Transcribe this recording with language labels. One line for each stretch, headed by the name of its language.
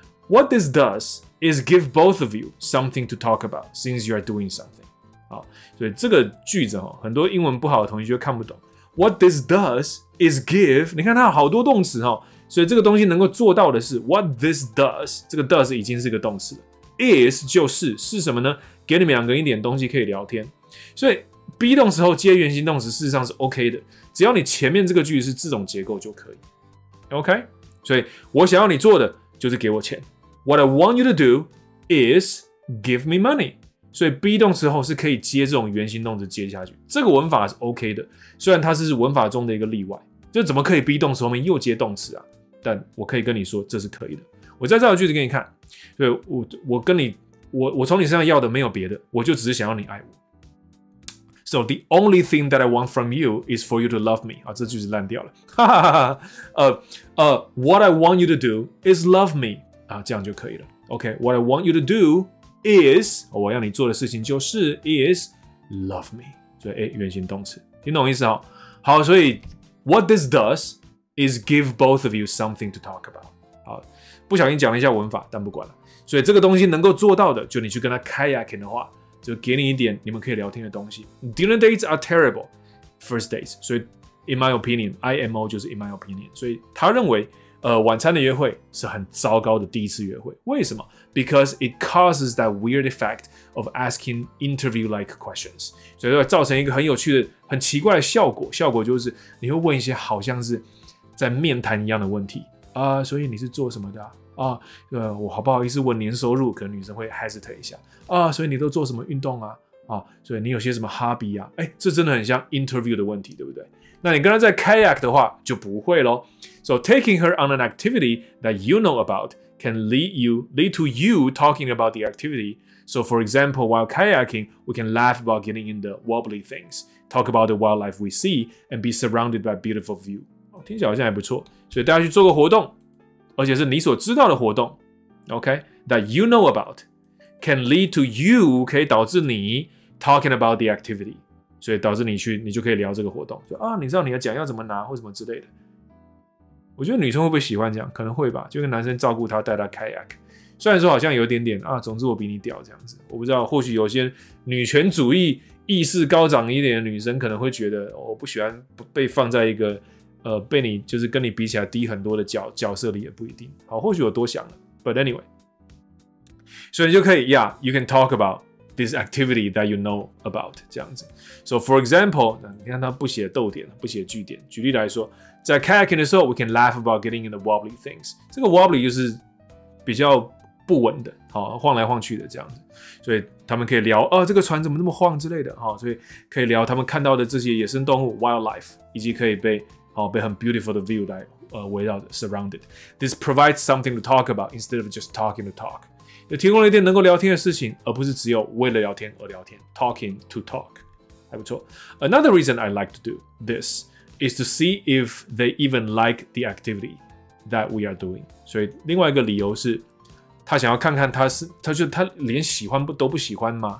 English: What this does is give both of you something to talk about since you are doing something.
Chinese: 好，所以这个句子哈，很多英文不好的同学就看不懂。
English: What this does is give，
Chinese: 你看它有好多动词哈，所以这个东西能够做到的是
English: what this does，
Chinese: 这个 does 已经是个动词了。 Is 就是什么呢？给你们两个一点东西可以聊天。所以 be 动词后接原形动词事实上是 OK 的，只要你前面这个句子是这种结构就可以。 OK， 所以我想要你做的。就是给我钱。
English: What I want you to do is give me money。
Chinese: 所以 be 动词后是可以接这种原形动词接下去，这个文法是 OK 的。虽然它是文法中的一个例外，就怎么可以 be 动词后面又接动词啊？但我可以跟你说这是可以的。我再造个句子给你看。所以我从你身上要的没有别的，我就只是想要你爱我。
English: So the only thing that I want from you is for you to love me.
Chinese: 啊，这句子烂掉了。
English: what I want you to do is love me.
Chinese: 啊，这样就可以了。
English: OK, what I want you to do is,
Chinese: 我要你做的事情就是
English: is love me.
Chinese: 所以原形动词，听懂意思哈？好，所以
English: what this does is give both of you something to talk about.
Chinese: 好，不小心讲了一下文法，但不管了。所以这个东西能够做到的，就你去跟他 kayaking 的话。就给你一点你们可以聊天的东西。
English: Dinner dates are terrible first dates，
Chinese: 所以
English: in my opinion，
Chinese: IMO 就是 in my opinion， 所以他认为，晚餐的约会是很糟糕的第一次约会。为什么？
English: Because it causes that weird effect of asking interview-like questions，
Chinese: 所以会造成一个很有趣的、很奇怪的效果。效果就是你会问一些好像是在面谈一样的问题啊，所以你是做什么的啊？我好不好意思问年收入，可能女生会 hesitate 一下啊，所以你都做什么运动啊？啊，所以你有些什么 hobby 啊？这真的很像 interview 的问题，对不对？那你跟她在 kayak 的话就不会咯。
English: So taking her on an activity that you know about can lead to you talking about the activity. So for example, while kayaking, we can laugh about getting in the wobbly things, talk about the wildlife we see, and be surrounded by beautiful view.
Chinese: 听起来好像还不错，所以大家去做个活动。而且是你所知道的活动 ，OK?
English: That you know about can lead to you
Chinese: 可以导致你
English: talking about the activity，
Chinese: 所以导致你去，你就可以聊这个活动。就啊，你知道你的奖要怎么拿或什么之类的。我觉得女生会不会喜欢这样？可能会吧，就跟男生照顾她，带她 kayak。虽然说好像有点点啊，总之我比你屌这样子。我不知道，或许有些女权主义意识高涨一点的女生可能会觉得，哦，我不喜欢被放在一个。被你就是跟你比起来低很多的角色里也不一定。好，或许我多想了 ，
English: But anyway，
Chinese: 所以你就可以 ，
English: Yeah， you can talk about this activity that you know about
Chinese: 这样子。
English: So for example，
Chinese: 你看他不写逗点，不写句点。举例来说，在 kayaking 的时候 ，
English: we can laugh about getting in the wobbly things。
Chinese: 这个 wobbly 就是比较不稳的，好，晃来晃去的这样子。所以他们可以聊，这个船怎么那么晃之类的，所以可以聊他们看到的这些野生动物 wildlife， 以及可以被被很 beautiful 的 view 来围绕着 surrounded.
English: This provides something to talk about instead of just talking to talk.
Chinese: 也提供了一点能够聊天的事情，而不是只有为了聊天而聊天
English: talking to talk.
Chinese: 还不错。
English: Another reason I like to do this is to see if they even like the activity that we are doing.
Chinese: 所以另外一个理由是他想要看看他是他就他连喜欢不都不喜欢吗？